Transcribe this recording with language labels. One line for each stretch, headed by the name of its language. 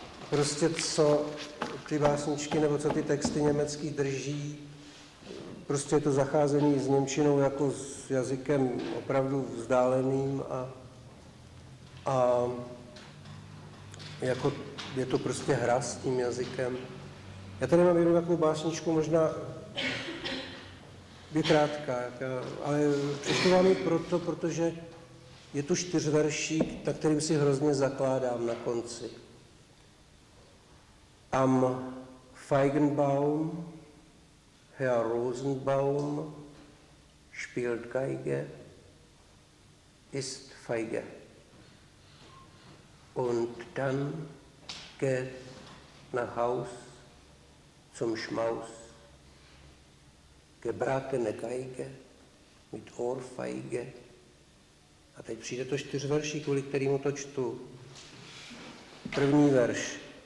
Czech: prostě co ty básničky nebo co ty texty německý drží, prostě je to zacházení s němčinou jako s jazykem opravdu vzdáleným a jako je to prostě hra s tím jazykem. Já tady mám jednu takovou básničku, možná je krátká, ale přečtu vám ji proto, protože je tu čtyřveršík, na kterým si hrozně zakládám na konci.
German: Am Feigenbaum, Herr Rosenbaum, spielt Geige, ist feige. Und dann geht nach Haus zum Schmaus, gebratene Geige mit Ohrfeige.
Czech: A teď přijde to čtyřverší, kvůli kterému to čtu. První verš.